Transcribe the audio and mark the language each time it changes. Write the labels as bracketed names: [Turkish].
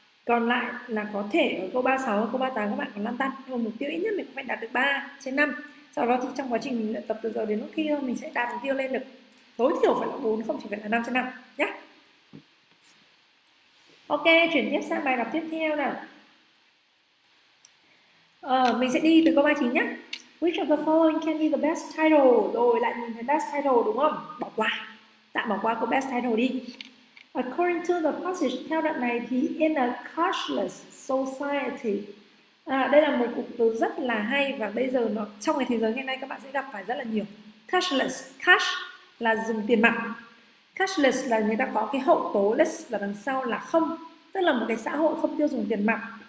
[Vietnamese] Còn lại là có thể ở câu 36, câu 38 các bạn còn lăn tăn, nhưng mục tiêu ít nhất mình cũng phải đạt được 3 trên 5. Sau đó thì trong quá trình mình luyện tập từ giờ đến lúc khi mình sẽ đạt mục tiêu lên được tối thiểu phải là 4, không chỉ phải là 5 trên 5 nhé. Ok, chuyển tiếp sang bài đọc tiếp theo nào. Mình sẽ đi từ câu 39 nhé. [English] Which of the following can be the best title? [Vietnamese] Rồi lại nhìn thấy [English] best title [Vietnamese] đúng không? Bỏ qua, tạm bỏ qua câu best title đi. [English] According to the passage, [Vietnamese] theo đoạn này thì [English] in a cashless society, [Vietnamese] đây là một cụm từ rất là hay và bây giờ nó trong cái thế giới ngày nay các bạn sẽ gặp phải rất là nhiều. Cashless, cash là dùng tiền mặt. Cashless là người ta có cái hậu tố less là đằng sau là không, tức là một cái xã hội không tiêu dùng tiền mặt.